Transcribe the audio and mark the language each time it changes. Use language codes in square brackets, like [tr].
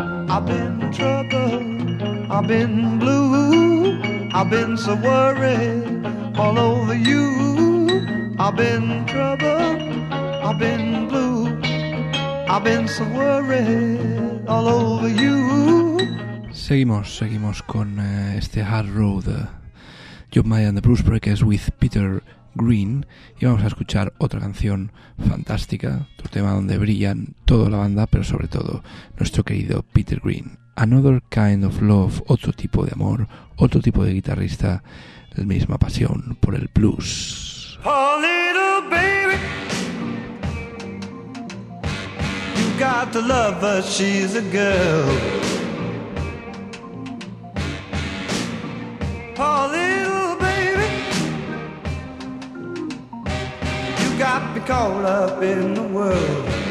[en] I've been troubled, I've been blue, I've been so worried all over you. I've been troubled, I've been blue, I've been so worried all over you. [es] Seguimos, seguimos con este Hard Road, Job Mayer and the Blues Breakers with Peter Green, y vamos a escuchar otra canción fantástica, otro tema donde brillan toda la banda, pero sobre todo nuestro querido Peter Green. Another Kind of Love, otro tipo de amor, otro tipo de guitarrista, la misma pasión por el blues. [en] A little baby, you got the lover, she's a girl. Poor little baby, you got me caught up in the world.